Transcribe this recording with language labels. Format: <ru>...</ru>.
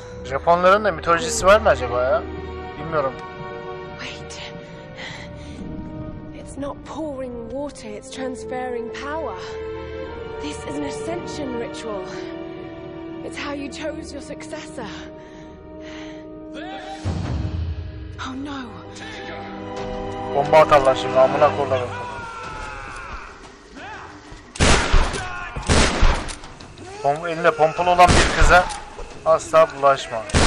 <tr>Japonların da mitolojisi var mı acaba ya? Bilmiyorum.</tr> <en>Wait. It's not pouring water, it's transferring power. This is an ascension ritual. It's how you chose your successor. Oh no.</en> <tr>Bomba atarlar şimdi, amına koyalım. Elinde pompalı olan bir kıza asla bulaşma.</tr>